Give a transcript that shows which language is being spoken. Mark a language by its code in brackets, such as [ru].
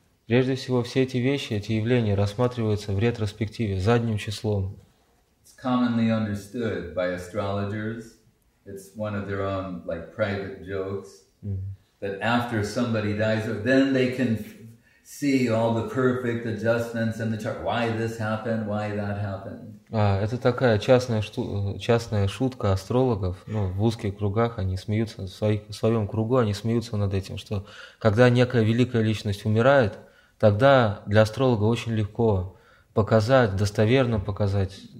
[ru] Прежде всего, все эти вещи, эти явления рассматриваются в ретроспективе, задним числом. [en] It's commonly understood by astrologers. It's one of their own, like, private jokes. Mm-hmm. That after somebody dies, then they can see all the perfect adjustments in the chart. Why this happened? Why that happened? [ru] А, это такая частная шутка астрологов. Ну, в узких кругах они смеются, в своем кругу они смеются над этим, что когда некая великая личность умирает, тогда для астролога очень легко показать, достоверно показать.